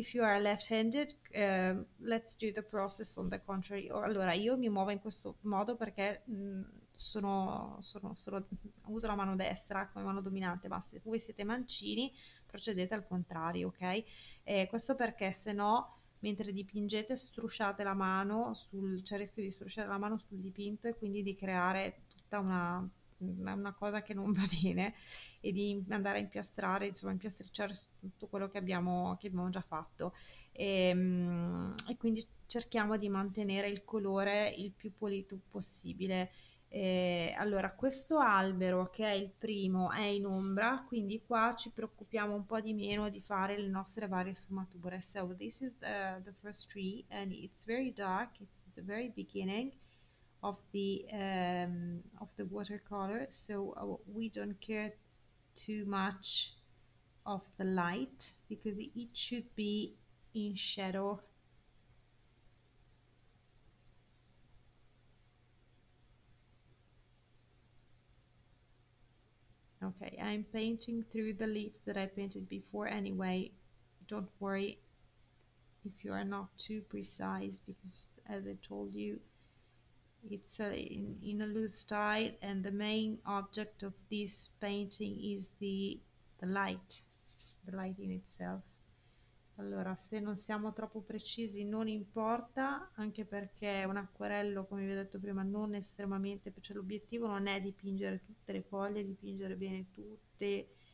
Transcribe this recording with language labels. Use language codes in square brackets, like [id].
[en] If you are left-handed, let's do the process on the contrary. [it] Allora, io mi muovo in questo modo perché sono uso la mano destra come mano dominante, ma se voi siete mancini, procedete al contrario, ok? Questo perché se no, mentre dipingete, strusciate la mano c'è il rischio di strusciare la mano sul dipinto e quindi di creare tutta una cosa che non va bene e di andare a impiastrare, insomma, impiastricciare tutto quello che abbiamo già fatto. E quindi cerchiamo di mantenere il colore il più pulito possibile. Allora, questo albero che è il primo è in ombra, quindi qua ci preoccupiamo un po' di meno di fare le nostre varie sfumature. [en] So, this is the first tree and it's very dark, it's the very beginning of the watercolor, so we don't care too much of the light because it should be in shadow. Okay, I'm painting through the leaves that I painted before anyway. Don't worry if you are not too precise because, as I told you, it's in a loose style, and the main object of this painting is the light in itself. [it] Allora, se non siamo troppo precisi, non importa, anche perché un acquerello, come vi ho detto prima, non è estremamente, cioè l'obiettivo non è dipingere tutte le foglie, dipingere bene tutti